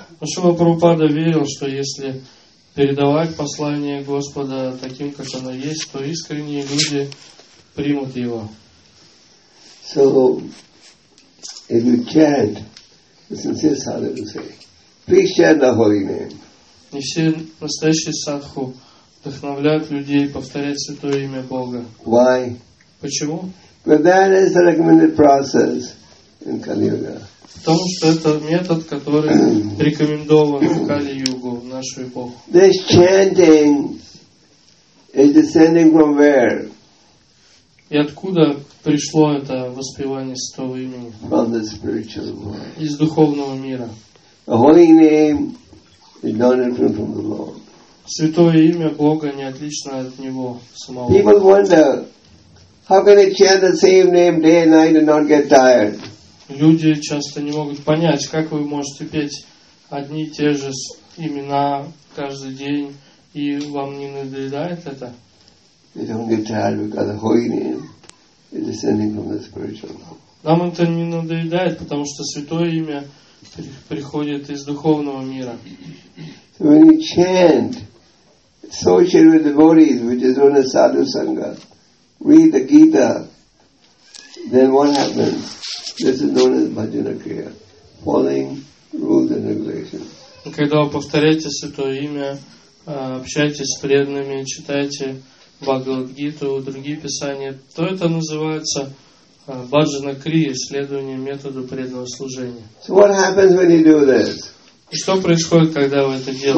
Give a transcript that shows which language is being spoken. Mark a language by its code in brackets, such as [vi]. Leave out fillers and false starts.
[ru] Но Шрила Прабхупада верил, что если передавать послание Господа таким, как оно есть, то искренние люди примут его. [en] So, if you chant, the sincere sadhu will say, please chant the holy name. [ru] И все настоящие садху вдохновляют людей повторять святое имя Бога. [en] Why? [ru] Почему? [en] But that is the recommended process in Kali-Yuga. [ru] Потому что это метод, который рекомендован в Кали-Югу, в нашу эпоху. [en] This chanting is descending from where? [ru] И откуда пришло это воспевание святого имени? [en] From the spiritual world. [ru] Из духовного мира. [en] The holy name is not different from the Lord. [ru] Святое имя Бога не отлично от Него самого. [en] People wonder, how can they chant the same name day and night and not get tired? [ru] Люди часто не могут понять, как вы можете петь одни и те же имена каждый день, и вам не надоедает это? [en] They don't get tired because the holy name is descending from the spiritual realm. [ru] Нам это не надоедает, потому что святое имя приходит из духовного мира. [en] So when you chant, associate with devotees, which is known as sadhu sangha, read the Gita, then what happens? This is known as bhajana kriya, following rules and regulations. [ru] Когда вы повторяете святое имя, общаетесь с преданными, читаете Бхагавад-гиту, другие писания, то это называется баджана крия, следование методу преданного служения. [en] So what happens when you do this? [ru] Что происходит, когда вы это делаете?